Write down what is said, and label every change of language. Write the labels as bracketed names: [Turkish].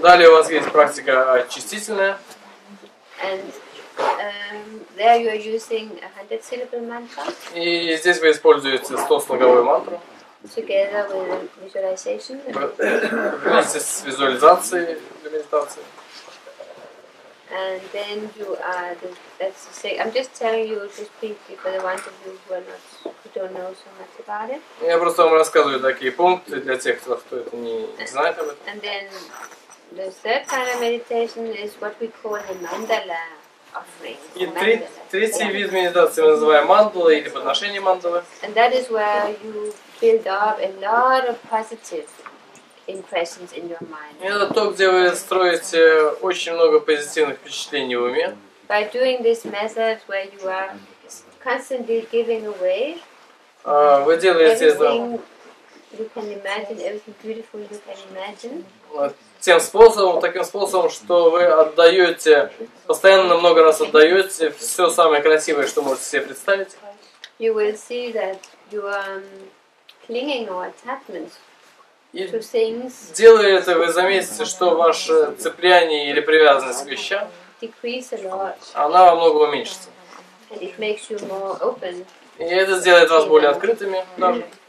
[Russian] Далее у вас есть практика очистительная. [English] And there you are using a 100-syllable mantra. [Russian] И здесь вы используете 100-слоговую мантру. [English] Together with visualization. [Russian] Вместе с визуализацией для медитации. [English] And then you are the, that's the same. I'm just telling you just briefly for the ones of you who are not who don't know so much about it. [Russian] Я просто вам рассказываю такие пункты для тех, кто это не знает об этом. [English] And then the third kind of meditation is what we call the mandala offering. [Russian] И третий вид медитации мы называем мандалой или подношение мандалы. [English] And that is where you build up a lot of positive impressions in your mind. [Russian] Это то, где вы строите очень много позитивных впечатлений в уме. [English] By doing this method where you are constantly giving away. [Russian] Вы делаете это. [English] You can imagine everything beautiful you can imagine. [Russian] Таким способом, что вы отдаете, постоянно много раз отдаете все самое красивое, что можете себе представить. [English] You will see that you are clinging or attachments. [Russian] И делая это, вы заметите, что ваше цепляние или привязанность к вещам, она во много уменьшится. И это сделает вас более открытыми даже.